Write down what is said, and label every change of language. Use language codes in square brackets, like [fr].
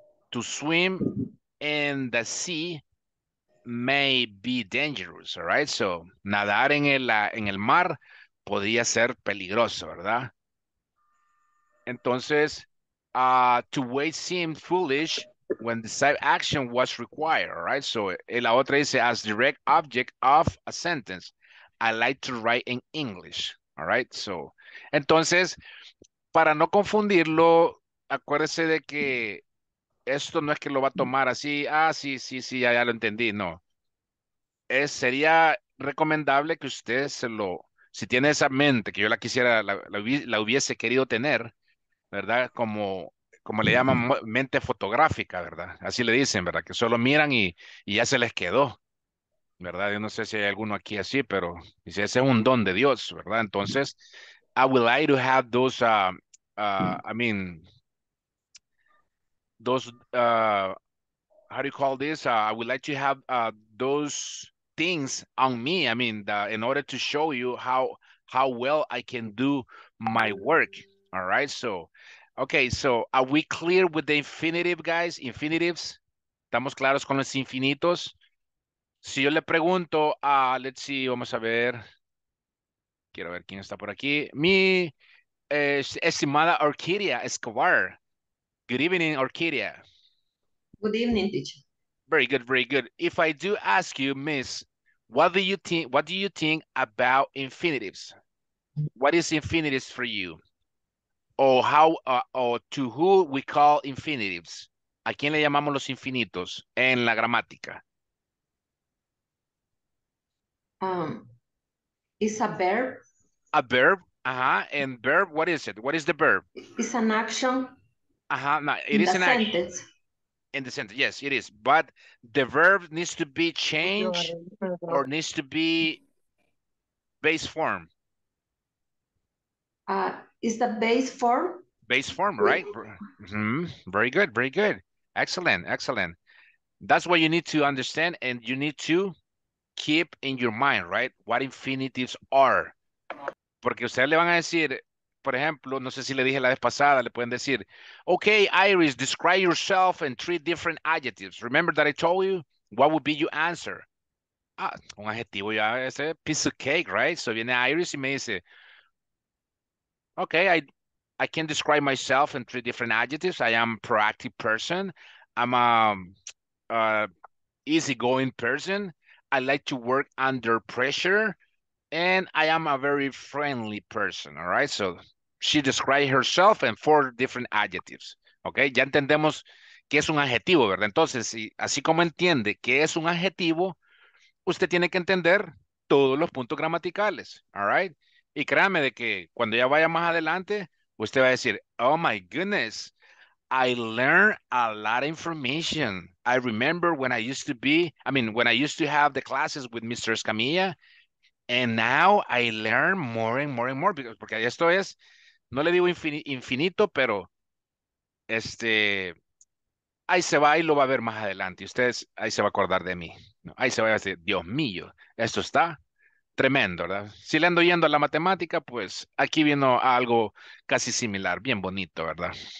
[en] To swim in the sea may be dangerous, all right? [es] So, nadar en el mar podía ser peligroso, ¿verdad? [en] Entonces, to wait seems foolish when decisive action was required, all right? So, [es] la otra dice, [en] as direct object of a sentence, I like to write in English. [es] All right, so, entonces, para no confundirlo, acuérdese de que esto no es que lo va a tomar así, ah, sí, ya lo entendí, no. Sería recomendable que usted si tiene esa mente, que yo la quisiera, la hubiese querido tener, ¿verdad? Como le llaman, mente fotográfica, ¿verdad? Así le dicen, ¿verdad? Que solo miran y ya se les quedó. ¿Verdad? Yo no sé si hay alguno aquí así, pero ese es un don de Dios, ¿verdad? [en] Entonces, I would like to have those, I would like to have those things on me, I mean, in order to show you how well I can do my work, all right? So, okay, so are we clear with the infinitive, guys? [es] Infinitives? ¿Estamos claros con los infinitos? Si yo le pregunto a, [en] let's see, [es] vamos a ver, quiero ver quién está por aquí. Mi estimada Orquídea Escobar. [en] Good evening, Orquídea. Good evening, teacher. Very good, very good. If I do ask you, miss, what do you think about infinitives? What is infinitives for you? Or how, or to who we call infinitives? [es] ¿A quién le llamamos los infinitos en la gramática? [en] It's a verb. A verb? Uh-huh. And verb, what is it? What is the verb? It's an action. Uh-huh. No, it is an action. In the sentence. In the sentence, yes, it is. But the verb needs to be changed or needs to be base form. Is the base form? Base form, right? Mm-hmm. Very good, very good. Excellent, excellent. That's what you need to understand and you need to keep in your mind, right? What infinitives are. [es] Porque ustedes le van a decir, por ejemplo, no sé si le dije la vez pasada, le pueden decir, [en] okay, Iris, describe yourself in 3 different adjectives. Remember that I told you? What would be your answer? [es] Ah, un adjetivo ya, ese [en] piece of cake, right? [es] So viene Iris y me dice, [en] okay, I can describe myself in 3 different adjectives. I am a proactive person. I'm a easygoing person. I like to work under pressure and I am a very friendly person, all right? So she described herself in 4 different adjectives, okay? [es] Ya entendemos qué es un adjetivo, ¿verdad? Entonces, si, así como entiende qué es un adjetivo, usted tiene que entender todos los puntos gramaticales, [en] all right? [es] Y créame de que cuando ya vaya más adelante, usted va a decir, [en] oh my goodness, I learned a lot of information. I remember when I used to have the classes with Mr. Escamilla, and now I learn more and more and more. [es] Porque esto es, no le digo infinito, pero ahí se va y lo va a ver más adelante. Ustedes ahí se va a acordar de mí. Ahí se va a decir, Dios mío, esto está tremendo, ¿verdad? Si le ando yendo a la matemática, pues aquí vino algo casi similar, bien bonito, ¿verdad?